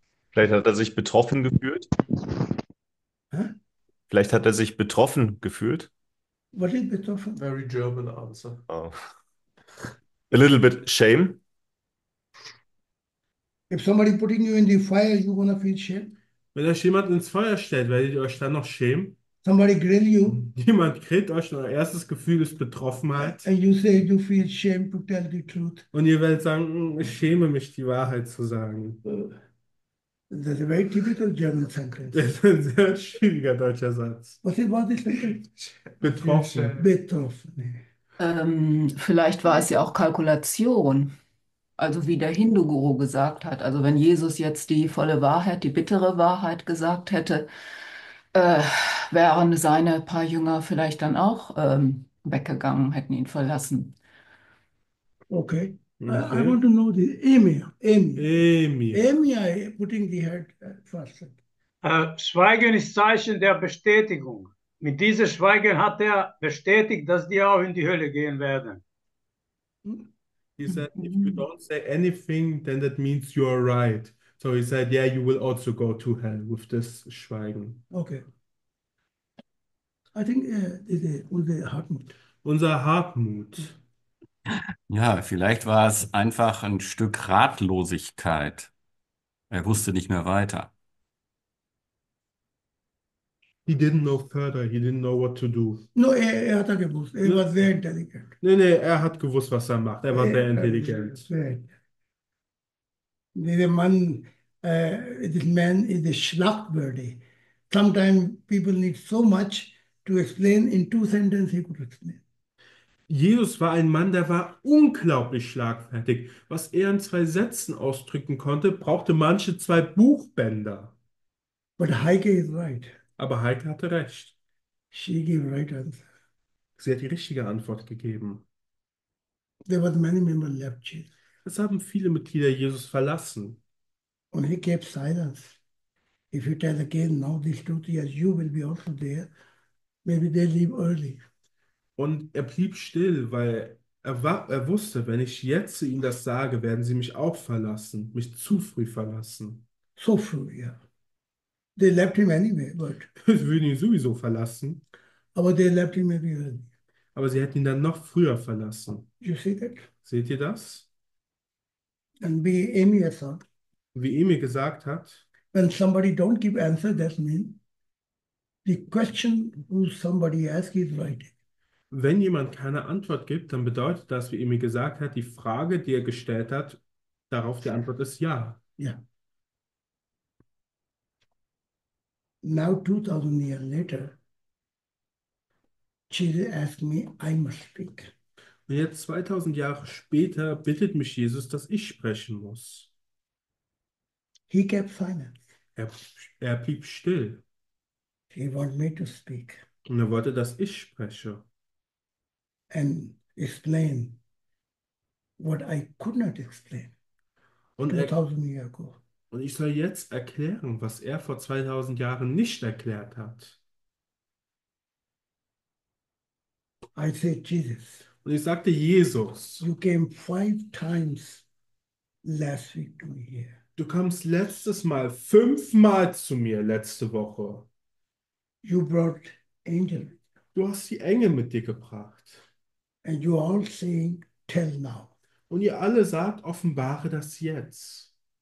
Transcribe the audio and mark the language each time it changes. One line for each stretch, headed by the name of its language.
German: Vielleicht hat er sich betroffen gefühlt. Vielleicht hat er sich betroffen gefühlt. Was ist betroffen?
English: Very German answer. Oh. A little bit shame. If somebody putting you in the fire, you gonna feel shame?
German: Wenn euch jemand ins Feuer stellt, werdet ihr euch dann noch schämen?
English: Somebody grill you?
German: Jemand kriegt euch, euer erstes Gefühl ist Betroffenheit.
English: And you say you feel shame to tell the truth.
German: Und ihr werdet sagen, ich schäme mich, die Wahrheit zu sagen.
English: That's a very typical German sentence.
German: Das ist ein sehr schwieriger deutscher Satz. Was war das denn? Betroffen. Betroffen. Betroffen. Vielleicht war es ja auch Kalkulation. Also wie der Hindu-Guru gesagt hat. Also wenn Jesus jetzt die volle Wahrheit, die bittere Wahrheit gesagt hätte, wären seine paar Jünger vielleicht dann auch weggegangen, hätten ihn verlassen.
English: Okay. I want to know the Emir. Emir. Emir. Emir putting the head first.
German: Schweigen ist Zeichen der Bestätigung. Mit diesem Schweigen hat er bestätigt, dass die auch in die Hölle gehen werden.
English: He said, if you don't say anything, then that means you are right. So he said, yeah, you will also go to hell with this Schweigen. Okay. I think the Hartmut.
German: Unser Hartmut. Ja, vielleicht war es einfach ein Stück Ratlosigkeit. Er wusste nicht mehr weiter.
English: He didn't know further. He didn't know what to do.
German: No, er hat er gewusst. Er war sehr intelligent. Nee, er hat gewusst, was er macht. Er war sehr intelligent. Der Mann,
English: this man is a schlagwürdig. Sometimes people need so much to explain in two sentences he could explain.
German: Jesus war ein Mann, der war unglaublich schlagfertig. Was er in zwei Sätzen ausdrücken konnte, brauchte manche zwei Buchbänder.
English: But Heike is right.
German: Aber Heike hatte recht.
English: She gave right answer.
German: Sie hat die richtige Antwort gegeben.
English: There was many member left Jesus.
German: Es haben viele Mitglieder Jesus verlassen.
English: And he kept silence. If you tell again now this truth, yes, you will be also there. Maybe they leave early.
German: Und er blieb still, weil er wusste, wenn ich jetzt zu ihnen das sage, werden sie mich auch verlassen, mich zu früh verlassen.
English: So true, yeah. They left him anyway, but.
German: Sie würden ihn sowieso verlassen.
English: But they left him maybe early.
German: Aber sie hätten ihn dann noch früher verlassen.
English: You see that?
German: Seht ihr das?
English: And be Amy as well.
German: Wie Emil gesagt hat,
English: When somebody don't give answer, that means the question who somebody ask is right.
German: wenn jemand keine Antwort gibt, dann bedeutet das, wie Emil gesagt hat, die Frage, die er gestellt hat, darauf die Antwort ist ja.
English: Yeah. Now 2000 years later, Jesus asked me, I must speak.
German: Und jetzt 2000 Jahre später bittet mich Jesus, dass ich sprechen muss.
English: He kept silence.
German: Er blieb still.
English: He want me to speak
German: Und er wollte, dass ich spreche.
English: and explain what I could not explain
German: Und
English: 2000 years ago.
German: ich soll jetzt erklären, was er vor 2000 Jahren nicht erklärt hat.
English: I say, Jesus,
German: Und ich sagte, Jesus,
English: you came five times last week to me here.
German: du kamst letztes Mal fünfmal zu mir letzte Woche.
English: You brought angel.
German: Du hast die Engel mit dir gebracht.
English: And you are all saying, tell now.
German: Und ihr alle sagt, offenbare das jetzt.